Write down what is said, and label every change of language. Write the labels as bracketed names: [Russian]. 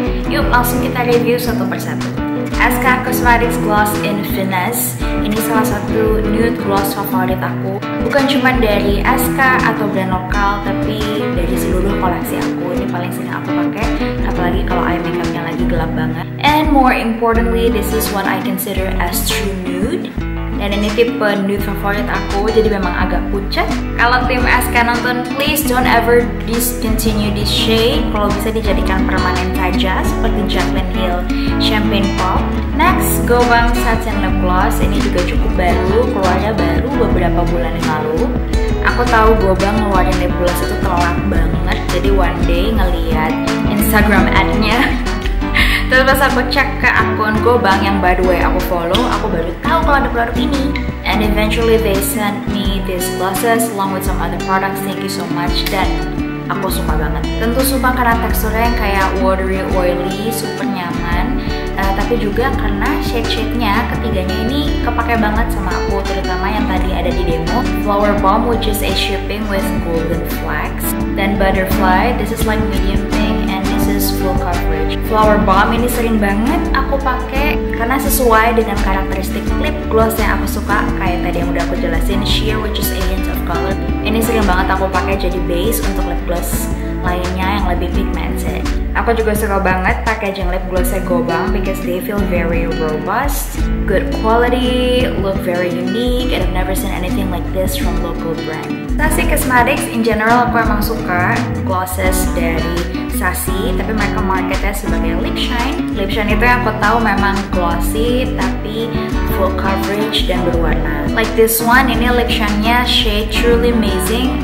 [Indonesian] Yuk langsung kita review satu persatu. SK Cosmetics Gloss in Finesse, ini salah satu nude gloss favorit aku. Bukan cuma dari SK atau brand lokal, tapi dari seluruh koleksi aku, ini paling sering aku pakai, apalagi kalau eye makeupnya lagi gelap banget. [English] And more importantly, this is what I consider as true nude. [Indonesian] Dan ini tipe nude favorit aku, jadi memang agak pucat. Kalau tim SK nonton, [English] please don't ever discontinue this shade. [Indonesian] Kalau bisa dijadikan permanen saja, seperti Jaclyn Hill Champagne Pop. [English] Next, Gobang Satin Lip Gloss. [Indonesian] Ini juga cukup baru, keluarnya baru beberapa bulan yang lalu. Aku tahu Gobang ngeluarin lip gloss itu telat banget, jadi [English] one day [Indonesian] ngeliat Instagram ad-nya. Terus pas aku cek ke akun Gobang yang [English] by the way [Indonesian] aku follow, aku baru tahu kalau ada produk ini. [English] And eventually they sent me these glosses along with some other products, thank you so much. [Indonesian] Dan aku suka banget. Tentu suka karena teksturnya yang kayak watery, oily, super nyaman. Tapi juga karena shade-shade-nya, ketiganya ini kepake banget sama aku. Terutama yang tadi ada di demo, Flower Bomb [English] which is a shipping with golden flecks. Then Butterfly, this is like medium pink and this is full coverage. [Indonesian] Flower Bomb ini sering banget aku pakai karena sesuai dengan karakteristik lip gloss yang aku suka. Kayak tadi yang udah aku jelasin, sheer [English] which is a hint of color. [Indonesian] Ini sering banget aku pakai jadi base untuk lip gloss lainnya yang lebih pigmented. Aku juga suka banget packaging lip glossnya Gobang [English] because they feel very robust, good quality, look very unique, and I've never seen anything like this from local brand. [Indonesian] Sassy Cosmetics, [English] in general [Indonesian] aku emang suka glosses dari Sassy, tapi mereka marketnya sebagai lip shine. Lip shine itu yang aku tahu memang glossy, tapi full coverage dan berwarna. [English] Like this one, [Indonesian] ini lip shine-nya shade truly amazing.